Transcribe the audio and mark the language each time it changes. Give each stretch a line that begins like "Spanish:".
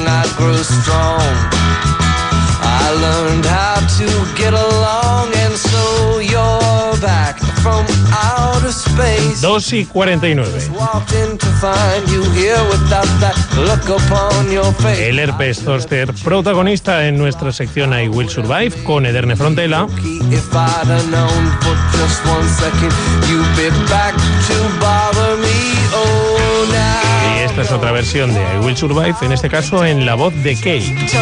English: I grew strong, I learned how to get along. And so you're back from outer space. 2:49. Walked in to find you here without that look upon your face.
Spanish: El herpes zóster, protagonista en nuestra sección I Will Survive con Ederne Frontela.
English: If I'd have known for just one second you'd be back to bother me. Oh, now.
Spanish: Esta es otra versión de I Will Survive, en este caso en la voz de Kay.